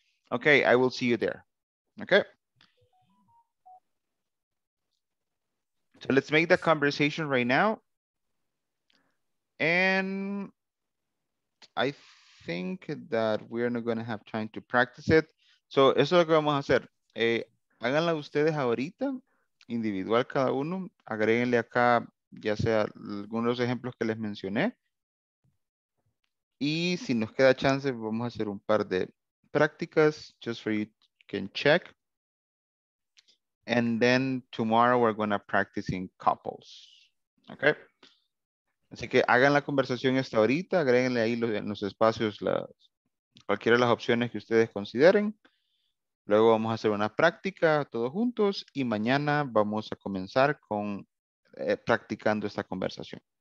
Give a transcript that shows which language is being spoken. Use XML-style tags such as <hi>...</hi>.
<en>Okay, I will see you there. Okay. So let's make the conversation right now. And I think that we're not going to have time to practice it.</en> <es>So eso es lo que vamos a hacer. Háganla ustedes ahorita, individual cada uno. Agréguenle acá, ya sea algunos de los ejemplos que les mencioné. Y si nos queda chance, vamos a hacer un par de prácticas,</es> <en>just for you can check. And then tomorrow we're going to practice in couples. Okay.</en> <es>Así que hagan la conversación hasta ahorita, agréguenle ahí en los espacios cualquiera de las opciones que ustedes consideren. Luego vamos a hacer una práctica todos juntos y mañana vamos a comenzar con practicando esta conversación.</es>